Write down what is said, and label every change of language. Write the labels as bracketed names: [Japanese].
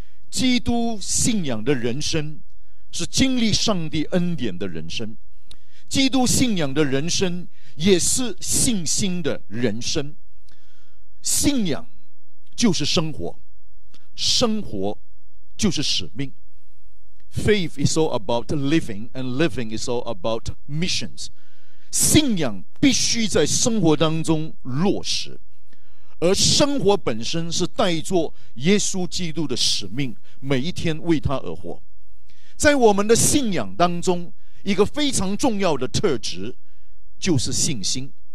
[Chinese] 基督信仰的人生是经历上帝恩典的人生，基督信仰的人生也是信心的人生。信仰就是生活，生活就是使命。 [English] Faith is all about living, and living is all about missions. [Chinese] 信仰必须在生活当中落实，而生活本身是带着耶稣基督的使命，每一天为他而活。在我们的信仰当中，一个非常重要的特质就是信心。